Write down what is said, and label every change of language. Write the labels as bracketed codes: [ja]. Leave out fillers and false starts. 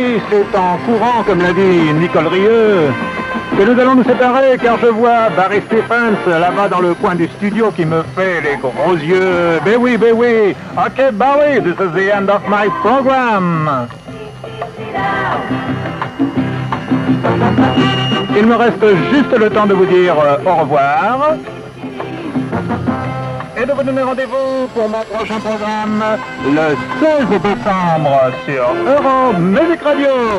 [fr] C'est en courant, comme l'a dit Nicole Rieux, que nous allons nous séparer, car je vois Barry Stephens là-bas dans le coin du studio qui me fait les gros yeux. Ben oui, ben oui. [en] Ok, Barry, this is the end of my program. [fr] Il me reste juste le temps de vous dire au revoir. Et de vous donner rendez-vous pour mon prochain programme le 16 décembre sur Euro Music Radio.